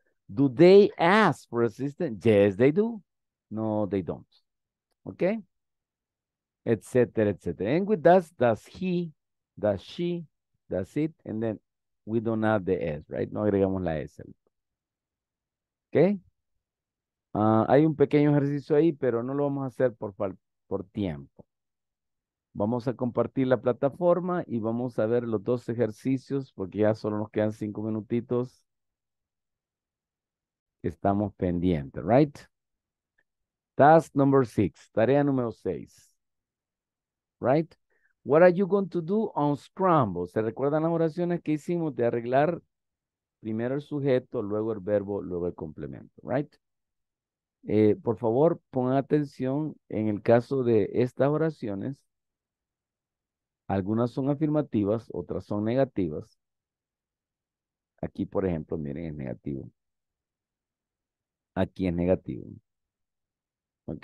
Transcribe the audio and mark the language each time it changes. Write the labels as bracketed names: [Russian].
[English] Do they ask for assistance? Yes, they do. No, they don't. Okay? Etc., etc. And with does, does he, does she, does it, and then we don't add the S, right? [Spanish] No agregamos la S. Okay? Hay un pequeño ejercicio ahí, pero no lo vamos a hacer por tiempo. Vamos a compartir la plataforma y vamos a ver los dos ejercicios porque ya solo nos quedan 5 minutitos. estamos pendientes, [English] right? Task number six, [Spanish] tarea número seis, [English] right? What are you going to do on scramble? [Spanish] ¿Se recuerdan las oraciones que hicimos de arreglar primero el sujeto, luego el verbo, luego el complemento, right? Por favor, pongan atención en el caso de estas oraciones. Algunas son afirmativas, otras son negativas. Aquí, por ejemplo, miren, es negativo. Aquí es negativo. ¿Ok?